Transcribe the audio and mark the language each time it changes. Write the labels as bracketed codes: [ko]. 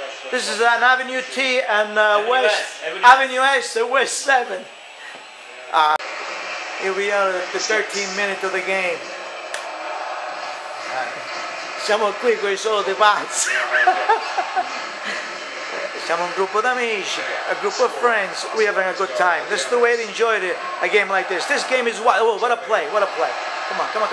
[en] This is an Avenue T and West. Avenue S and West 7. Here we are at the 13th minute of the game. [it] Siamo qui con i soliti pazzi. Siamo un gruppo d'amici, [en] a group of friends. We're having a good time. This is the way to enjoy a game like this. This game is wild. Oh, what a play, what a play. Come on.